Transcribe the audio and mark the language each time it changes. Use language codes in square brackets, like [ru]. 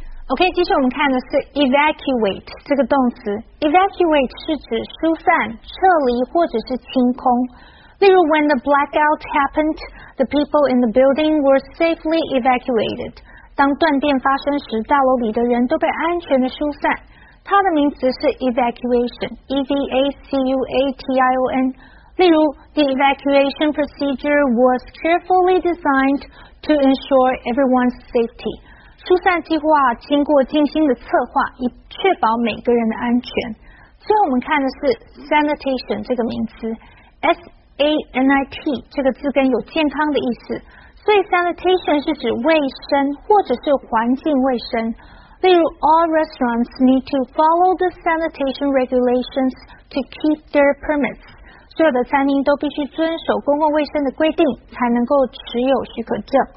[zh] OK， 其实我们看的是 evacuate 这个动词。evacuate 是指疏散、撤离或者是清空。 [en] 例如 ，When the blackout happened, the people in the building were safely evacuated。 [zh] 当断电发生时，大楼里的人都被安全的疏散。它的名词是 evacuation，E-V-A-C-U-A-T-I-O-N。 [en] 例如 ，The evacuation procedure was carefully designed to ensure everyone's safety。 [zh] 疏散计划经过精心的策划，以确保每个人的安全。最后我们看的是 sanitation 这个名词 ，S-A-N-I-T 这个字根有健康的意思，所以 sanitation 是指卫生或者是环境卫生。 [en] 例如 ，All restaurants need to follow the sanitation regulations to keep their permits。 [zh] 所有的餐厅都必须遵守公共卫生的规定，才能够持有许可证。